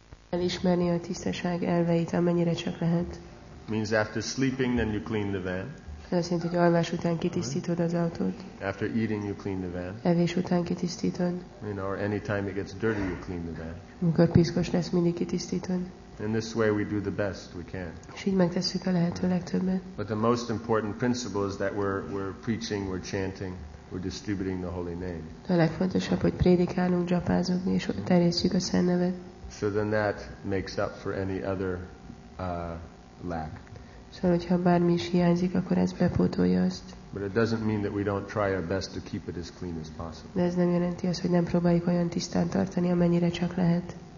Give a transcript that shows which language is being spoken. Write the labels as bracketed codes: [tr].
[hu] elismerni a tisztaság elveit, amennyire csak lehet. [en] Means after sleeping, then you clean the van. [hu] Ez azt jelenti, hogy alvás után kitisztítod az autót. [en] After eating, you clean the van. [hu] Evés után kitisztítod. [en] You know, or any time it gets dirty, you clean the van. [hu] Amikor piszkos lesz, mindig kitisztítod. [en] In this way, we do the best we can. [hu] És így megtesszük a lehető legtöbbet. [en] But the most important principle is that we're preaching, we're chanting, we're distributing the holy name. [hu] A legfontosabb, hogy prédikálunk, dzsapázunk és terjesszük a szent nevet. [en] So then that makes up for any other lack. [hu] So, hogyha bármi is hiányzik, akkor ez bepótolja azt. [en] But it doesn't mean that we don't try our best to keep it as clean as possible. [hu] De ez nem jelenti azt, hogy nem próbáljuk olyan tisztán tartani, amennyire csak lehet.